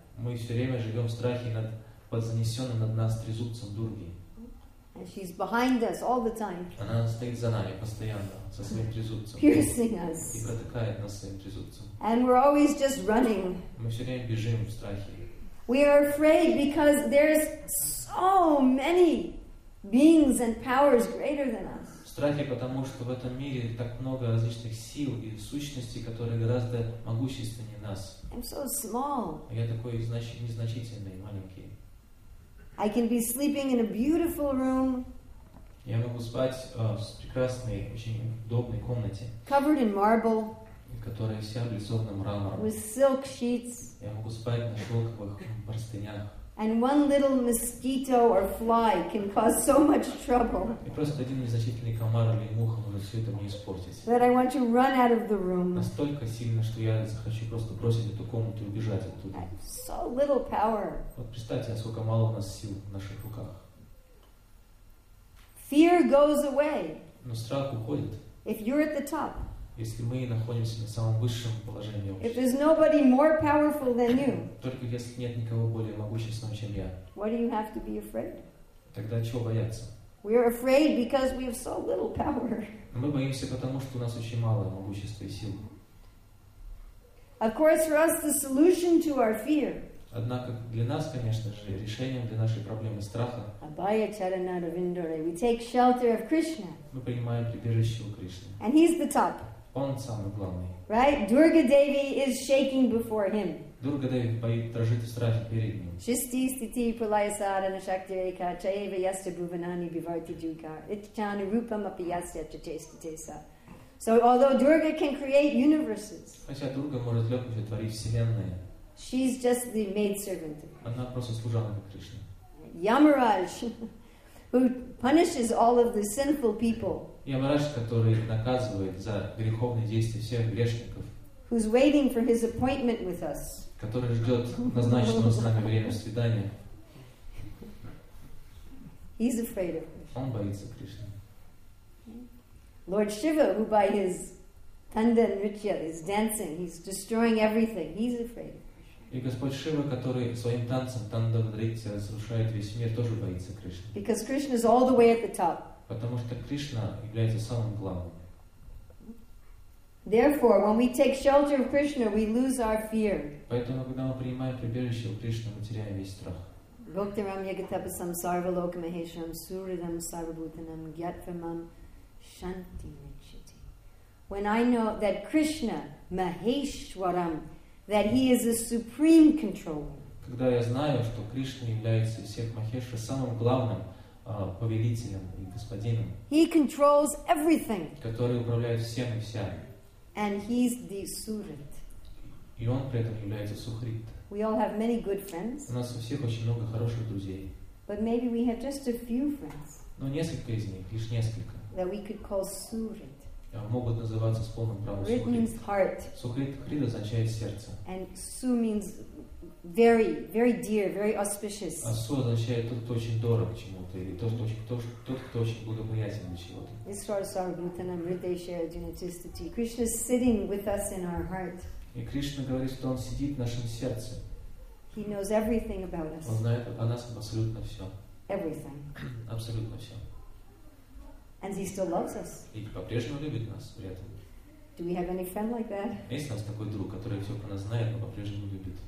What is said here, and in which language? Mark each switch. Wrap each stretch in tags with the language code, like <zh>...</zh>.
<ru>Мы все время живем в страхе над под занесенным над нас трезубцем Дурги.</ru> <en>And she's behind us all the time.</en> <ru>Она стоит за нами постоянно со своим трезубцем.</ru> <en>Piercing us.</en> <ru>И протыкает нас своим трезубцем.</ru> <en>And we're always just running.</en> <ru>Мы все время бежим в страхе.</ru> <en>We are afraid because there's so many beings and powers greater than us.</en> <ru>страхе, потому что в этом мире так много различных сил и сущностей, которые гораздо могущественнее нас.</ru> <en>I'm so small.</en> <ru>Я такой незначительный, маленький.</ru> <en>I can be sleeping in a beautiful room.</en> <ru>Я могу спать в прекрасной, очень удобной комнате.</ru> <en>Covered in marble.</en> <ru>Которая вся облицована мрамором.</ru> <en>With silk sheets.</en> <ru>Я могу спать на шелковых простынях.</ru> <en>And one little mosquito or fly can cause so much trouble.</en> <ru>И просто один незначительный комар или муха может все это мне испортить.</ru> <en>That I want to run out of the room.</en> <ru>Настолько сильно, что я захочу просто бросить эту комнату и убежать оттуда.</ru> <en>I have so little power.</en> <ru>Вот представьте, насколько мало у нас сил в наших руках.</ru> <en>Fear goes away.</en> <ru>Но страх уходит.</ru> <en>If you're at the top.</en> <ru>Если мы находимся на самом высшем положении.</ru> <en>If there's nobody more powerful than you.</en> <ru>Только если нет никого более могущественного, чем я.</ru> <en>Why do you have to be afraid?</en> <ru>Тогда чего бояться?</ru> <en>We are afraid because we have so little power.</en> <ru>Мы боимся потому, что у нас очень мало могущества и сил.</ru> <en>Of course, for us the solution to our fear.</en> <ru>Однако для нас, конечно же, решением для нашей проблемы страха.</ru> <sa>Abhaya charanada vindare.</sa> <en>We take shelter of Krishna.</en> <ru>Мы принимаем прибежище у Кришны.</ru> <en>And he's the top.</en> <ru>Он самый главный.</ru> <en>Right? Durga Devi is shaking before him.</en> <ru>Durga Devi дрожит в страхе перед ним.</ru> <sa>Shisti stiti pralaya sadhana shakti reka chayeva yasta bhuvanani bivarti juga itchana rupam api yasta chachesta tesa.</sa> <en>So although Durga can create universes,</en> <ru>хотя Дурга может легко сотворить вселенные,</ru> <en>she's just the maidservant.</en> <ru>Она просто служанка Кришны.</ru> <en>Yamaraj, who punishes all of the sinful people.</en> <ru>Ямараш, который наказывает за греховные действия всех грешников.</ru> <en>Who's waiting for his appointment with us.</en> <ru>Который ждет назначенного с нами время свидания.</ru> <en>He's afraid of Krishna.</en> <ru>Он боится Кришны.</ru> <en>Lord Shiva, who by his tanda and ritya is dancing, he's destroying everything. He's afraid.</en> <ru>И Господь Шива, который своим танцем танда ритья разрушает весь мир, тоже боится Кришны.</ru> <en>Because Krishna is all the way at the top.</en> <ru>Потому что Кришна является самым главным.</ru> <en>Therefore, when we take shelter of Krishna, we lose our fear.</en> <ru>Поэтому, когда мы принимаем прибежище у Кришны, мы теряем весь страх.</ru> <sa>Bhaktiram yagatapasam sarvalokamahesham suridam sarvabhutanam gyatvamam shanti nichiti.</sa> <en>When I know that Krishna maheshwaram, that he is a supreme controller.</en> <ru>Когда я знаю, что Кришна является всех Махеша самым главным, повелителем и господином.</ru> <en>He controls everything.</en> <ru>Который управляет всем и вся.</ru> <en>And he's the Surit.</en> <ru>И он при этом является Сухрит.</ru> <en>We all have many good friends.</en> <ru>У нас у всех очень много хороших друзей.</ru> <en>But maybe we have just a few friends.</en> <ru>Но несколько из них, лишь несколько.</ru> <en>That we could call Surit.</en> <ru>Могут называться с полным правом Сухрит.</ru> <en>Rit means heart.</en> <ru>Сухрит, хрит означает сердце.</ru> <en>And Su means very, very dear, very auspicious.</en> <ru>А Су означает тот, кто очень дорог чему-то, или тот, кто очень благоприятен для чего-то.</ru> <sa>Isvara Sarvabhutanam Hridayesha Arjuna Tisthati.</sa> <en>Krishna is sitting with us in our heart.</en> <ru>И Кришна говорит, что Он сидит в нашем сердце.</ru> <en>He knows everything about us.</en> <ru>Он знает о нас абсолютно все.</ru> <en>Everything.</en> <ru>Абсолютно все.</ru> <en>And he still loves us.</en> <ru>И по-прежнему любит нас при этом.</ru> <en>Do we have any friend like that?</en> <ru>Есть у нас такой друг, который все про нас знает, но по-прежнему любит.</ru>